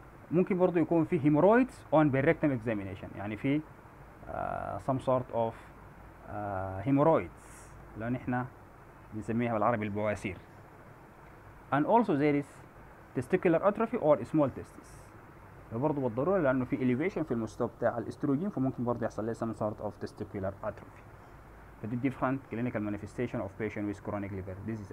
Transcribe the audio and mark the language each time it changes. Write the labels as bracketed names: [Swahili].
[Arabic] ممكن برضو يكون في هيمورويدز اون بيريكتم اكزامينيشن، يعني في سم سورت اوف هيمورويدز لو نحن بنسميها بالعربي البواسير. [English] And also there is testicular atrophy or small testes. [Arabic] برضو بالضرورة لأنه في elevation في المستوى بتاع الاستروجين، فممكن برضو يحصل لها [English] some sort of testicular atrophy. But the different clinical manifestation of patient with chronic liver disease.